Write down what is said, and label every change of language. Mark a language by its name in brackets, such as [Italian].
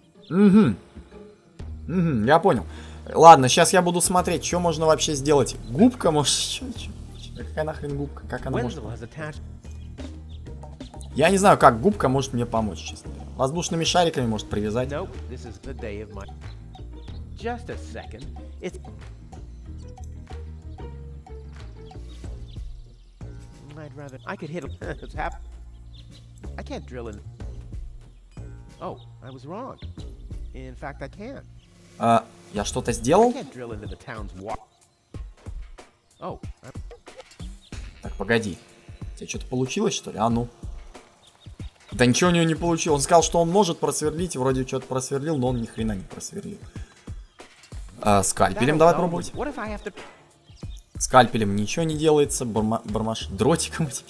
[Russian] Угу. Угу, я понял. Ладно, сейчас я буду смотреть, что можно вообще сделать. Губка, может... Какая нахрен губка? Как она может... Я не знаю, как губка может мне помочь, честно. Воздушными шариками может привязать. [English] Nope, this is the day of my... Just a second. It's... I'd rather... I could hit... It's happened. I can't drill in... Oh, I was wrong. In fact, I can. [Russian] Я что-то сделал? [English] I can't drill into the town's water. Oh, I... [Russian] Так, погоди. У тебя что-то получилось, что ли? А ну... Да ничего у него не получилось. Он сказал, что он может просверлить, вроде что-то просверлил, но он ни хрена не просверлил. Скальпелем давай пробовать. Скальпелем ничего не делается, бармаш дротиком.